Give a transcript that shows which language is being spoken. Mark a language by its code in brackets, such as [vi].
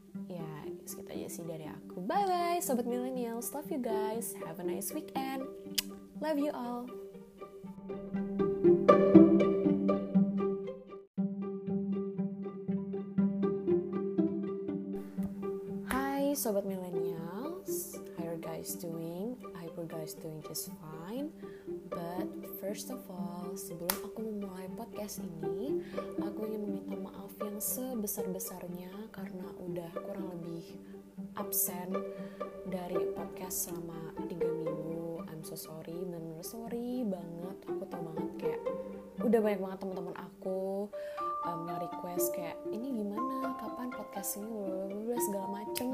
[id] Ya, segitu aja sih dari aku. [en] Bye-bye, Sobat Millennials. Love you guys. Have a nice weekend. Love you all. Hi, Sobat Millennials. How are you guys doing? I hope you guys doing just fine. But first, First of all, [id] sebelum aku memulai podcast ini, aku ingin meminta maaf yang sebesar-besarnya karena udah kurang lebih absen dari podcast selama 3 minggu. [en] I'm so sorry, [id] bener-bener sorry banget. Aku tau banget kayak udah banyak banget teman-teman aku yang request kayak ini gimana, kapan podcast ini, blablabla, segala macem.